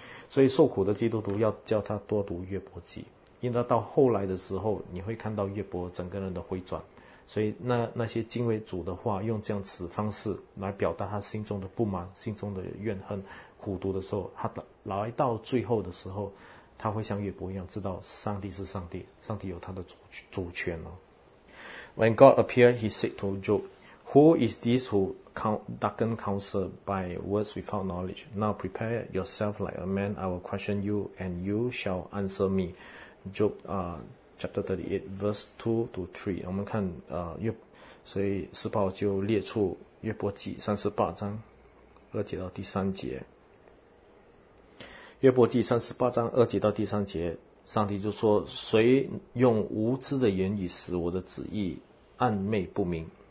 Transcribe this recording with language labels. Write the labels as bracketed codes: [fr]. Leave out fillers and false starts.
[zh] 所以受苦的基督徒要叫他多读约伯记，因为到后来的时候你会看到约伯整个人的回转。所以那些敬畏主的话用这样子方式来表达他心中的不满，心中的怨恨，苦读的时候，他来到最后的时候，他会像约伯一样知道上帝是上帝，上帝有他的主权哦。 [en] When God appeared, he said to Job, Who is this who darken counsel by words without knowledge? Now prepare yourself like a man, I will question you, and you shall answer me. Job, chapter 38, verse 2 to 3. [zh] 我们看，所以四报就列出约伯记38章2节到第3节。约伯记38章2节到第3节，上帝就说，谁用无知的言语使我的旨意暗昧不明？